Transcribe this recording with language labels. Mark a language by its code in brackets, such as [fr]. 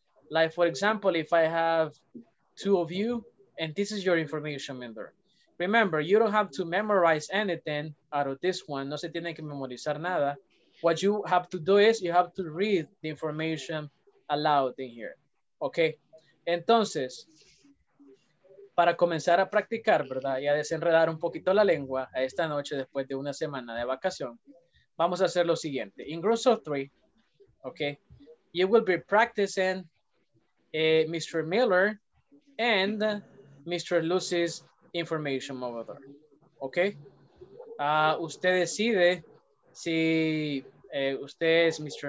[en] Like for example, if I have 2 of you, and this is your information in there. Remember, you don't have to memorize anything out of this one. [es] No se tiene que memorizar nada. [en] What you have to do is you have to read the information aloud in here, okay? [es] Entonces, para comenzar a practicar, ¿verdad? Y a desenredar un poquito la lengua a esta noche después de una semana de vacación, vamos a hacer lo siguiente. [en] In groups of 3, okay, you will be practicing Mr. Miller and Mr. Lucy's information over there, okay? [es] Usted decide si usted es Mr.